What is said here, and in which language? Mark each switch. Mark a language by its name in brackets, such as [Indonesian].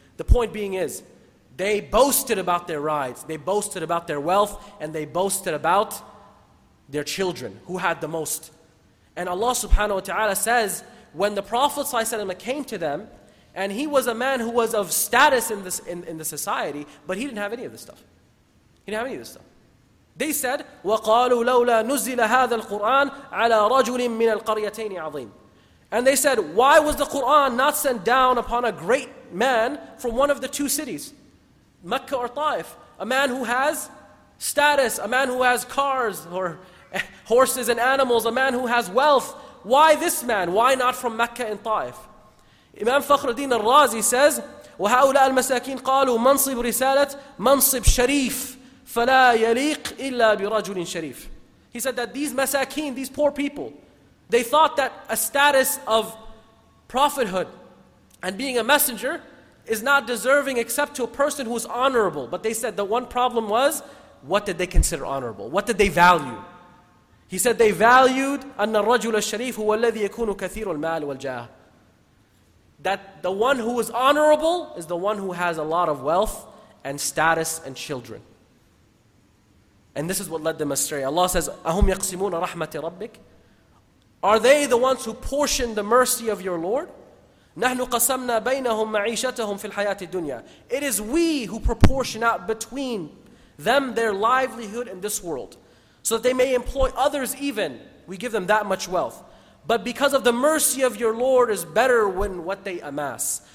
[English] The point being is, they boasted about their rides, they boasted about their wealth, and they boasted about their children, who had the most. And Allah subhanahu wa ta'ala says, when the Prophet ﷺ came to them, and he was a man who was of status in the society, but he didn't have any of this stuff. They said, [Arabic] وَقَالُوا لَوْلَا نُزِّلَ هَذَا الْقُرْآنَ عَلَىٰ رَجُلٍ مِّنَ الْقَرْيَتَيْنِ عَظِيمٍ. [English] And they said, why was the Qur'an not sent down upon a great man from one of the two cities, Mecca or Taif? A man who has status, a man who has cars or horses and animals, a man who has wealth. Why this man? Why not from Mecca and Taif? Imam Fakhruddin al-Razi says, [Arabic] وَهَؤُلَاءَ الْمَسَاكِينَ قَالُوا مَنْصِبُ رِسَالَةَ مَنْصِبْ شَرِيفٍ فَلَا يَلِيقْ إِلَّا بِرَجُلٍ شَرِيفٍ. [English] He said that these masakin, these poor people, they thought that a status of prophethood and being a messenger is not deserving except to a person who is honorable. But they said the one problem was, what did they consider honorable? What did they value? He said they valued [Arabic] أَنَّ الرَّجُلَ الشَّرِيفُ هُوَ الَّذِي يَكُونُ كَثِيرُ الْمَالِ وَالْجَاهِ. [English] That the one who is honorable is the one who has a lot of wealth and status and children. And this is what led them astray. Allah says, [Arabic] أَهُمْ يَقْسِمُونَ رَحْمَةِ رَبِّكِ. [English] Are they the ones who portion the mercy of your Lord? [Arabic] نَحْنُ قَسَمْنَا بَيْنَهُمْ مَعِيشَتَهُمْ فِي الْحَيَاةِ الدُّنْيَا. [English] It is we who proportion out between them their livelihood in this world, so that they may employ others even. We give them that much wealth. But because of the mercy of your Lord is better than what they amass.